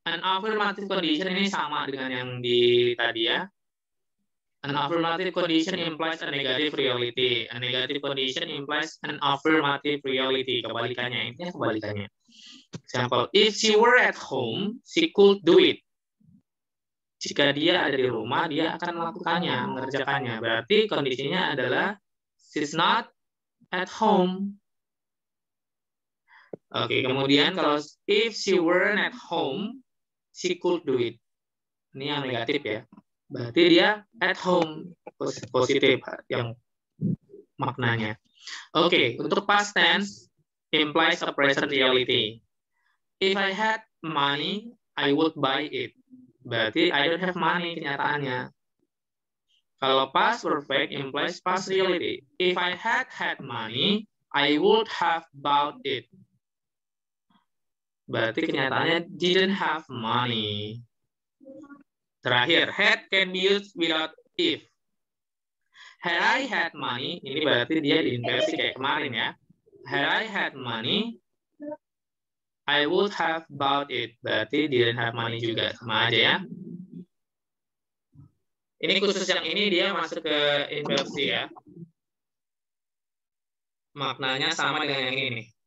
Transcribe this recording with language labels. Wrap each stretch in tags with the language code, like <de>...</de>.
<en>An affirmative condition</en> <id>ini sama dengan yang di tadi ya.</id> <en>An affirmative condition implies a negative reality. A negative condition implies an affirmative reality.</en> <id>Kebalikannya. Ini kebalikannya.</id> <en>Example, if she were at home, she could do it.</en> <id>Jika dia ada di rumah, dia akan melakukannya, mengerjakannya. Berarti kondisinya adalah</id> <en>she's not at home.</en> <id>Oke, kemudian kalau</id> <en>if she weren't at home, she could do it.</en> <id>Ini yang negatif ya. Berarti dia</id> <en>at home,</en> <id>positif yang maknanya.</id> <en>Oke, untuk past tense, implies a present reality. If I had money, I would buy it.</en> <id>Berarti</id> <en>I don't have money,</en> <id>kenyataannya. Kalau</id> <en>past perfect, implies past reality. If I had had money, I would have bought it.</en> <id>Berarti kenyataannya</id> <en>didn't have money.</en> <id>Terakhir,</id> <en>had can be used without if. Had I had money,</en> <id>ini berarti dia diinversi kayak kemarin ya.</id> <en>Had I had money, I would have bought it.</en> <id>Berarti</id> <en>didn't have money</en> <id>juga, sama aja ya. Ini khusus yang ini dia masuk ke inversi ya. Maknanya sama dengan yang ini.</id>